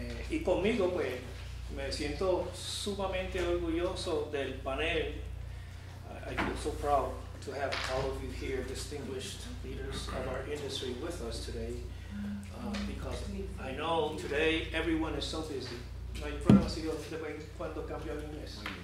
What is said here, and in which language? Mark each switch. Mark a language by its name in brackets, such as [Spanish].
[Spanish] Y conmigo, pues, me siento sumamente orgulloso del panel. [English] I feel so proud to have all of you here, distinguished leaders of our industry, with us today. Because I know today everyone is so busy. [Spanish] No hay problema si yo te voy cuando cambio el inglés.